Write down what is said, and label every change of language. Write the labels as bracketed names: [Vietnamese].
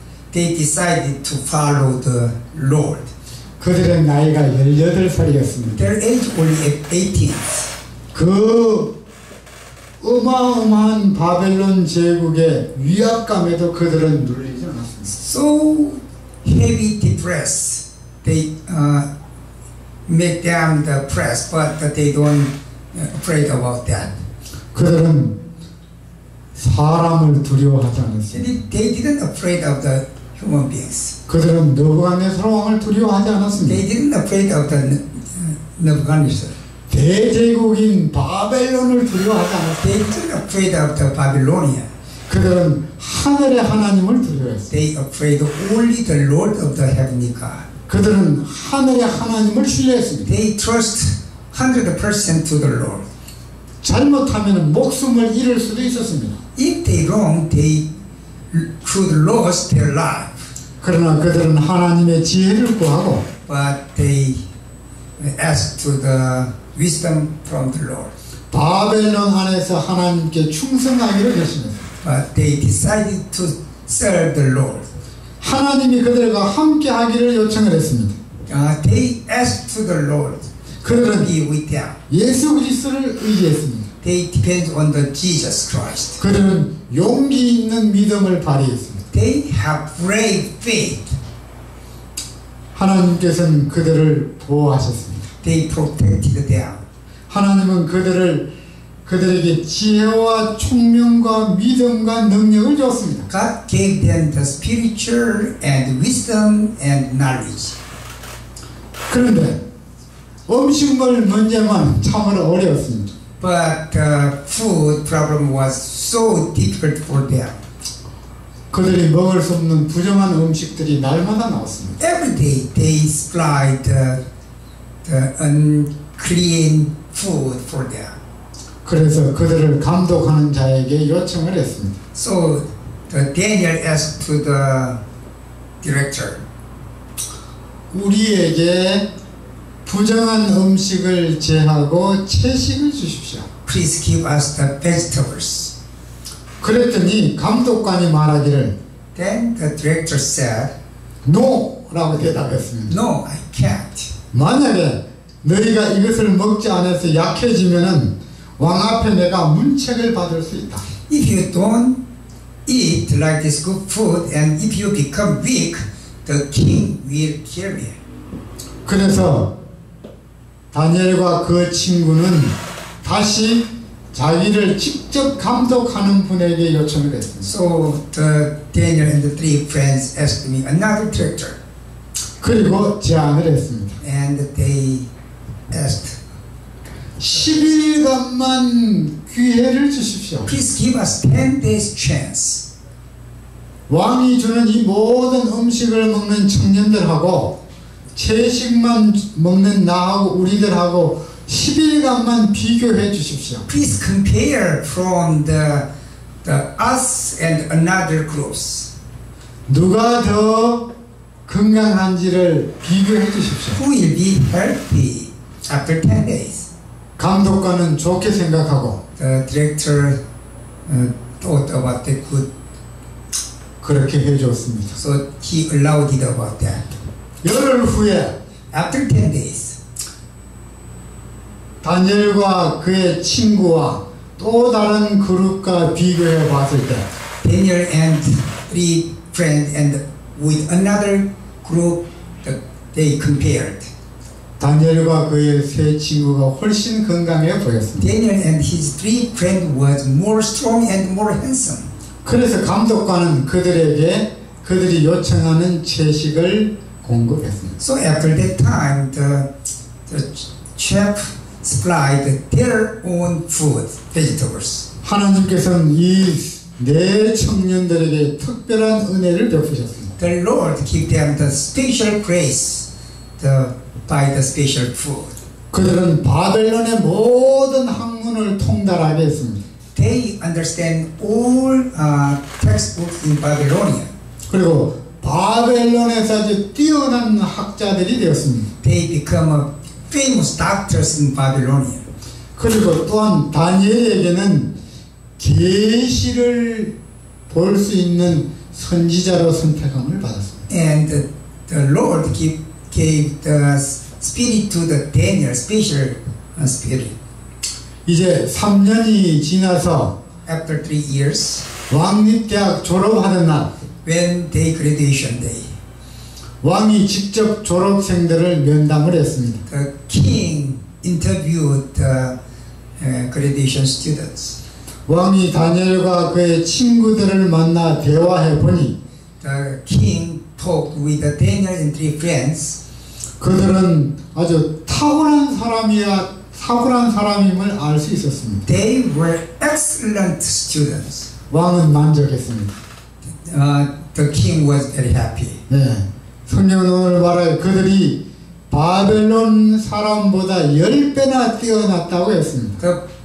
[English] They decided to follow the Lord. [Korean] 그들의 나이가 18살이었습니다. [English] Their age only 18. [Korean] 그 어마어마한 바벨론 제국의 위압감에도 그들은 눌리지 않았습니다. [English] So heavy depress. They make them the press, but they don't afraid about that. [Korean] 그들은 사람을 두려워하지 않았습니다. [English] They didn't afraid of the human beings. [Korean] 그들은 느부갓네살 왕을 두려워하지 않았습니다. [English] They didn't afraid of the Nebuchadnezzar. [Korean] 대제국인 바벨론을 두려워하지 않았습니다. [English] They didn't afraid of the Babylonia. [Korean] 그들은 하늘의 하나님을 두려워했어요. [English] They afraid only the Lord of the heavenly God. [Korean] 그들은 하늘의 하나님을 신뢰했습니다. [English] They trust 100% to the Lord. [Korean] 잘못하면 목숨을 잃을 수도 있었습니다. [English] If they wrong, they could lose their life. [Korean] 그러나 그들은 하나님의 지혜를 구하고 [English] But they asked to the wisdom from the Lord. [Korean] 바벨론 안에서 하나님께 충성하기로 했습니다. [English] But they decided to serve the Lord. [Korean] 하나님이 그들과 함께 하기를 요청을 했습니다. [English] They asked to the Lord. [Korean] 그들은 [English] to be with them. [Korean] 예수 그리스도를 의지했습니다. [English] They depend on the Jesus Christ. [Korean] 그들은 용기 있는 믿음을 발휘했습니다. [English] They have brave faith. [Korean] 하나님께서는 그들을 보호하셨습니다. [English] They protected them. [Korean] 하나님은 그들에게 지혜와 총명과 믿음과 능력을 주었습니다. [English] God gave them the spiritual and wisdom and knowledge. [Korean] 그런데 음식물 문제만 참으로 어려웠습니다. [English] But the food problem was so difficult for them. [Korean] 그들이 먹을 수 없는 부정한 음식들이 날마다 나왔습니다. [English] Every day they supplied the unclean food for them. [Korean] 그래서 그들을 감독하는 자에게 요청을 했습니다. [English] So Daniel asked to the director. [Korean] 우리에게 부정한 음식을 제하고 채식을 주십시오. [English] Please give us the vegetables. [Korean] 그랬더니 감독관이 말하기를 [English] Then the director said No! [Korean] 라고 대답했습니다. [English] No, I can't. [Korean] 만약에 너희가 이것을 먹지 않아서 약해지면은 왕 앞에 내가 문책을 받을 수 있다. [English] If you don't eat like this good food and if you become weak, the king will kill me. [Korean] 그래서 다니엘과 그 친구는 다시 자기를 직접 감독하는 분에게 요청을 했습니다. [English] So the Daniel and the three friends asked me another director. [Korean] 그리고 제안을 했습니다. [English] And they asked [Korean] 10일간만 기회를 주십시오. [English] Please give us 10 days chance. [Korean] 왕이 주는 이 모든 음식을 먹는 청년들하고 채식만 먹는 나하고 우리들하고 10일간만 비교해 주십시오. [English] Please compare from the us and another groups. [Korean] 누가 더 건강한지를 비교해 주십시오. [English] Who will be healthy after 10 days? [Korean] 감독관은 좋게 생각하고 [English] The director thought about the good [Korean] 그렇게 해줬습니다. [English] So he allowed it about that. [Korean] 열흘 후에 [English] After 10 days [Korean] 다니엘과 그의 친구와 또 다른 그룹과 비교해 봤을 때 [English] Daniel and three friends and with another group they compared [Korean] 다니엘과 그의 세 친구가 훨씬 건강해 보였습니다. [English] Daniel and his three friends was more strong and more handsome. [Korean] 그래서 감독관은 그들에게 그들이 요청하는 채식을 공급했습니다. [English] So after that time, the chef supplied their own food, vegetables. [Korean] 하나님께서는 이 네 청년들에게 특별한 은혜를 베푸셨습니다. [English] The Lord gave them the special grace. The by the special food. [Korean] 그들은 바벨론의 모든 학문을 통달하게 했습니다. [English] They understand all textbooks in Babylonia. [Korean] 그리고 바벨론에서 아주 뛰어난 학자들이 되었습니다. [English] They become famous doctors in Babylonia. [Korean] 그리고 또한 다니엘에게는 계시를 볼 수 있는 선지자로 선택함을 받았습니다. [English] And the Lord gave the spirit to the Daniel, special spirit. [Korean] 이제 3년이 지나서 [English] After 3 years, [Korean] 왕립대학 졸업하는 날, [English] when they graduation day, [Korean] 왕이 직접 졸업생들을 면담을 했습니다. [English] The king interviewed the graduation students. [Korean] 왕이 다니엘과 그의 친구들을 만나 대화해 보니, [English] the king talked with the Daniel and three friends. [Korean] 그들은 아주 탁월한 사람이야. 탁월한 사람임을 알 수 있었습니다. [English] They were excellent students. [Korean] 왕은 만족했습니다. [English] The king was very happy. [Korean] 네, 성경을 말할 그들이 바벨론 사람보다 10배나 뛰어났다고 했습니다.